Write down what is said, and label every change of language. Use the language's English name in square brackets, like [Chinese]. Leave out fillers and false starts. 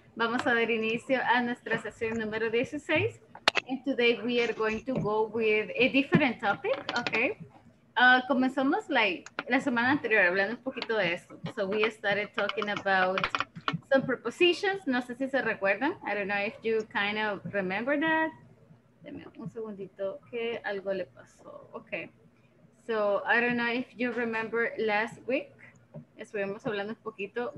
[Spanish] Vamos a dar inicio a nuestra sesión número 16. [English] And today we are going to go with a different topic, okay? [Spanish] Comenzamos la semana anterior hablando un poquito de esto. [English] So we started talking about some prepositions. [Spanish] No sé si se recuerdan. [English] I don't know if you kind of remember that. [Spanish] Deme un segundito que algo le pasó. [English] Okay. So I don't know if you remember last week. [Spanish] Estuvimos hablando un poquito.